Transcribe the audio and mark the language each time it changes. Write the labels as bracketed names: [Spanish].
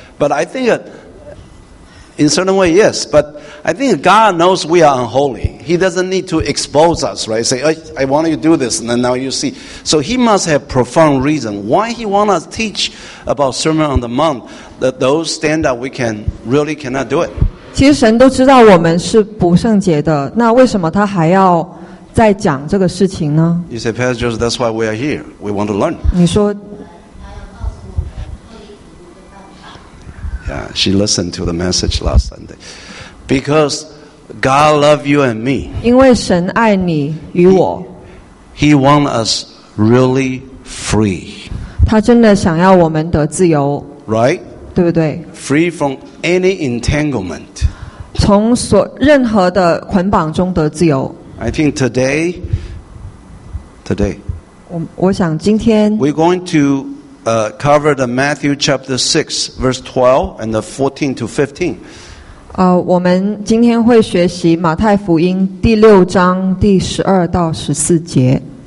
[English] But I think in certain way, yes. But I think God knows we are unholy. He doesn't need to expose us, right? Say, I want you to do this, and then now you see. So he must have profound reason why he wants us to teach about Sermon on the Mount, that those standards we can really cannot do it. [Chinese] 其实神都知道我们是不圣洁的，那为什么他还要再讲这个事情呢？ [English] You say, Pastor Joseph, that's why we are here. We want to learn. [Chinese] 你说, [English] yeah, she listened to the message last Sunday. Because God loves you and me. [Chinese] 因为神爱你与我。 [English] He wants us really free. [Chinese] 他真的想要我们得自由。 [English] Right? [Chinese] 对不对? [English] Free from any entanglement. [Chinese] 从任何的捆绑中得自由。 [English] I think today, [Chinese] 我想今天, [English] we're going to cover the Matthew chapter 6, verse 12 and the 14 to 15. [Chinese] 我们今天会学习马太福音第六章第12到14节。